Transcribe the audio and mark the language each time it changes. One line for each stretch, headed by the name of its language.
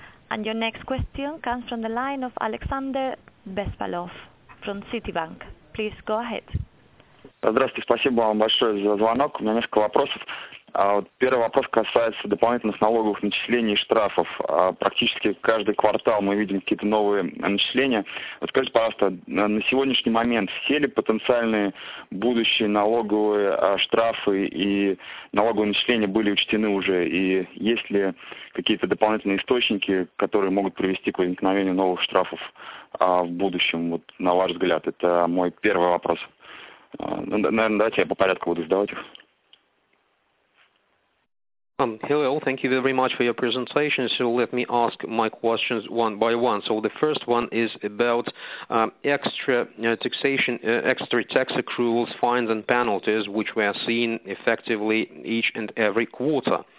English: And your next question comes from the line of Alexander Bespalov from Citibank. Please go ahead.
Russian: Здравствуйте, спасибо вам большое за звонок. У меня несколько вопросов. Первый вопрос касается дополнительных налоговых начислений и штрафов. Практически каждый квартал мы видим какие-то новые начисления. Вот скажите, пожалуйста, на сегодняшний момент все ли потенциальные будущие налоговые штрафы и налоговые начисления были учтены уже? И есть ли какие-то дополнительные источники, которые могут привести к возникновению новых штрафов в будущем, вот на ваш взгляд? Это мой первый вопрос. Наверное, давайте я по порядку буду задавать их.
English: Hello, thank you very much for your presentation. So let me ask my questions one by one. So the first one is about extra taxation, extra tax accruals, fines and penalties, which we are seeing effectively each and every quarter.